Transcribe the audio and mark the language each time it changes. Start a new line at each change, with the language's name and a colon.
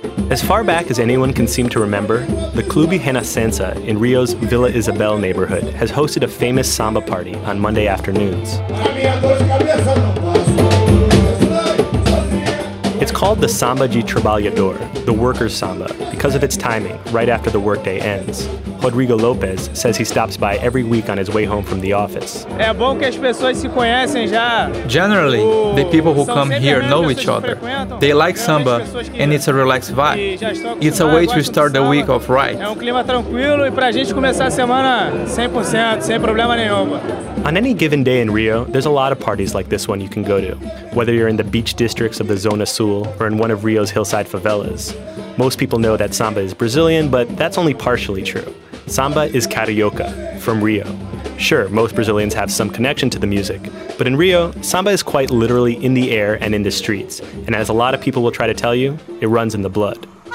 English: As far back as anyone can seem to remember, the Clube Renascença in Rio's Vila Isabel neighborhood has hosted a famous samba party on Monday afternoons. It's called the Samba de Trabalhador, the worker's samba, because of its timing, right after the workday ends. Rodrigo Lopez says he stops by every week on his way home from the office.
Portuguese: É bom que as pessoas se conhecem já.
English: Generally, the people who come here know each other. They like samba, and it's a relaxed vibe. It's a way to start the week off right.
Portuguese: É clima tranquilo e pra gente começar a semana 100%, sem problema nenhum.
English: On any given day in Rio, there's a lot of parties like this one you can go to, whether you're in the beach districts of the Zona Sul or in one of Rio's hillside favelas. Most people know that samba is Brazilian, but that's only partially true. Samba is carioca, from Rio. Sure, most Brazilians have some connection to the music, but in Rio, samba is quite literally in the air and in the streets, and as a lot of people will try to tell you, it runs in the blood.